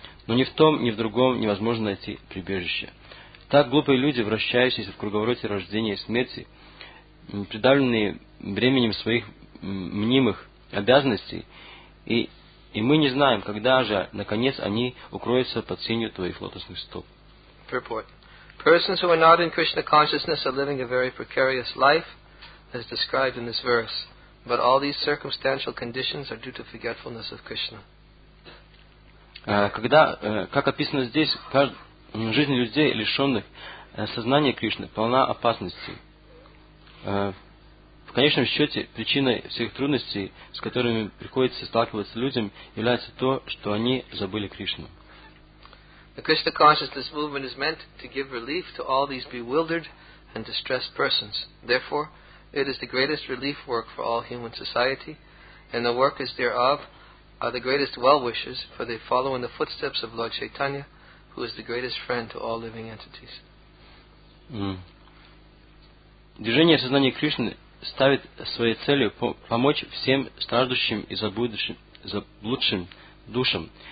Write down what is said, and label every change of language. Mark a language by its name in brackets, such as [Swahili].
[Russian] Но ни в том, ни в другом невозможно найти прибежище. Так глупые люди, вращающиеся в круговороте рождения и смерти, придавленные бременем своих мнимых обязанностей, и мы не знаем, когда же, наконец, они укроются под сенью твоих лотосных стоп. [English] Purport. Persons who are not in Krishna consciousness are living a very precarious life, as described in this verse. But all these circumstantial conditions are due to forgetfulness of Krishna. [Russian] Когда, как описано здесь, жизнь людей, лишенных сознания Кришны, полна опасностей. В конечном счете, причиной всех трудностей, с которыми приходится сталкиваться людям, является то, что они забыли Кришну. [English] The Krishna consciousness movement is meant to give relief to all these bewildered and distressed persons. Therefore, it is the greatest relief work for all human society, and the workers thereof are the greatest well-wishers, for they follow in the footsteps of Lord Chaitanya, who is the greatest friend to all living entities. [Russian] Движение сознания Кришны ставит своей целью помочь всем страждущим и заблудшим душам.